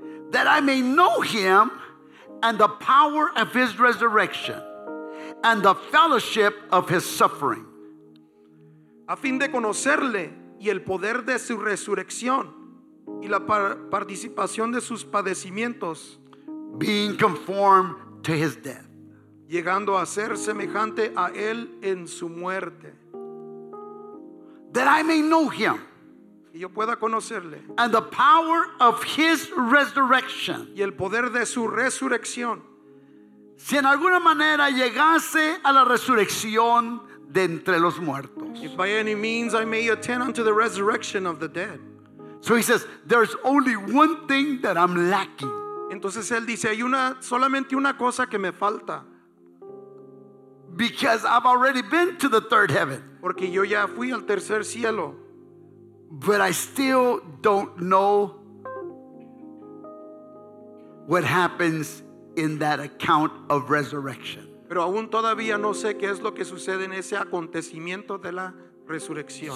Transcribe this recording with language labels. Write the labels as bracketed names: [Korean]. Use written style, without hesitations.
[English] That I may know him and the power of his resurrection and the fellowship of his suffering. [Spanish] A fin de conocerle y el poder de su resurrección y la participación de sus padecimientos. [English] Being conformed to his death. [Spanish] Llegando a ser semejante a él en su muerte. [English] That I may know him. [Spanish] Y yo pueda conocerle. [English] And the power of his resurrection. [Spanish] Y el poder de su resurrección. Si en alguna manera llegase a la resurrección de entre los muertos. [English] If by any means I may attend unto the resurrection of the dead. So he says, there's only one thing that I'm lacking. [Spanish] Entonces él dice, hay solamente una cosa que me falta. [English] Because I've already been to the third heaven. [Spanish] Porque yo ya fui al tercer cielo. [English] But I still don't know what happens in that account of resurrection. [Spanish] Pero aún todavía no sé qué es lo que sucede en ese acontecimiento de la resurrección.